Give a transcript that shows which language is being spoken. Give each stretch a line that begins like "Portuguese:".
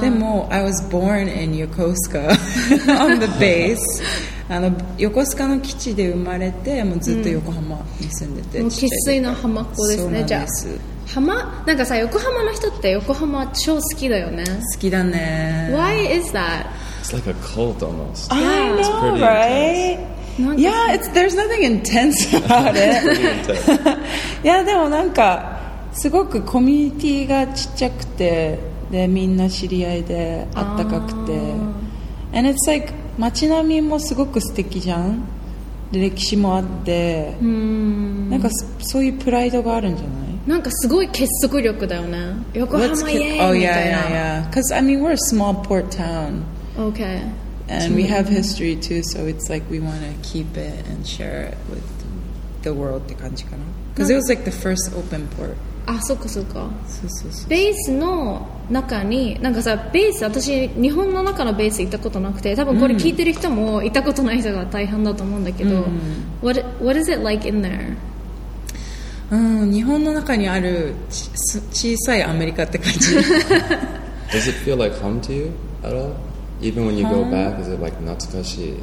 Japanese: でも
English: I was born in Yokosuka on the base。
Japanese: あの横須賀の基地で生まれて、もうずっと横浜に住んでて、うん、生粋の浜っ子ですね。そうなんです。じゃあ浜、なんかさ、横浜の人って横浜超好きだよね。好きだね。
English: Why is that? It's like a cult almost. I know, right? Yeah, it's, there's nothing intense about it. <Pretty intense.
Japanese: laughs> yeah, でもなんかすごくコミュニティがちっちゃくて、でみんな知り合いであったかくて、
English: and it's like
Japanese: 街並みもすごく素敵じゃん。歴史もあって、なんかそういうプライドがあるんじゃない？なんかすごい結束力だよね。横浜イエーイ、
English: oh, yeah,
Japanese: みたいな。
English: Oh yeah, yeah, yeah. Because I mean we're a small port town. Okay. And we have history too, so it's like we want to keep it and share it with the world
Japanese: って感じかな。
English: Because it was like the first open port。
Japanese: あ、そっかそっか。そうそうそう。ベースの中に、なんかさ、ベース、私日本の中のベース行ったことなくて、多分これ聞いてる人も行ったことない人が大半だと思うんだけど、
English: What is it like in there?
Japanese: 日本の中にある小さいアメリカって感じ。
English: Does it feel like home to you at all? Even when you go back, is it like natsukashi?